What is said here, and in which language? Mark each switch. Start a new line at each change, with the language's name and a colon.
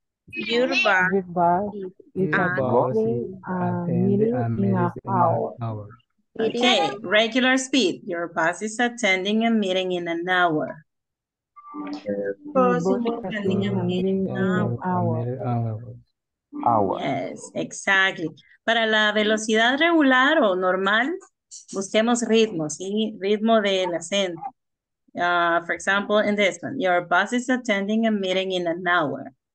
English: Your boss is attending a meeting in an hour. Okay, regular speed. Your boss is attending a meeting in an hour. Your boss is attending a meeting in an hour. hour. Yes, exactly.
Spanish: Para la velocidad regular o normal, busquemos ritmo, ¿sí? Ritmo del acento.
English: For example, in this one, your boss is attending a meeting in an hour.